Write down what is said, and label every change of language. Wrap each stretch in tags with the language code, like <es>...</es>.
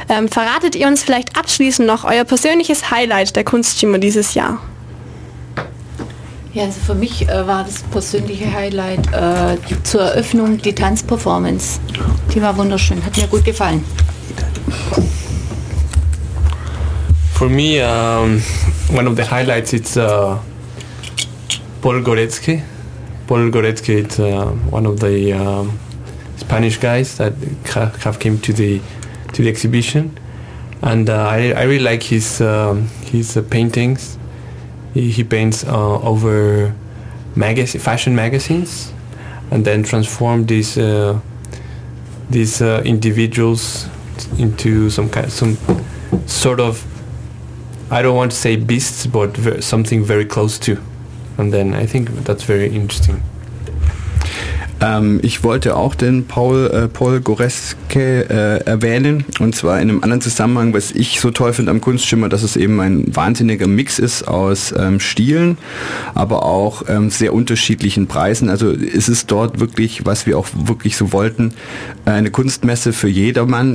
<de>Verratet ihr uns vielleicht abschließend noch euer persönliches Highlight der Kunstschimmer dieses Jahr? Ja, also für mich war das persönliche Highlight zur Eröffnung die Tanzperformance. Die war wunderschön, hat mir gut gefallen.</de> <en>For me, one of the highlights is Paul Goretzky. Paul Goretzky is one of the Spanish guys that have came to the exhibition, and I really like his paintings. He paints over fashion magazines, and then transformed these individuals into some sort of, I don't want to say beasts, but something very close to. And then I think that's very interesting.</en> <de>Ich wollte auch den Paul Goretzky erwähnen, und zwar in einem anderen Zusammenhang. Was ich so toll finde am Kunstschimmer, dass es eben ein wahnsinniger Mix ist aus Stilen, aber auch sehr unterschiedlichen Preisen. Also es ist dort wirklich, was wir auch wirklich so wollten, eine Kunstmesse für jedermann.</de>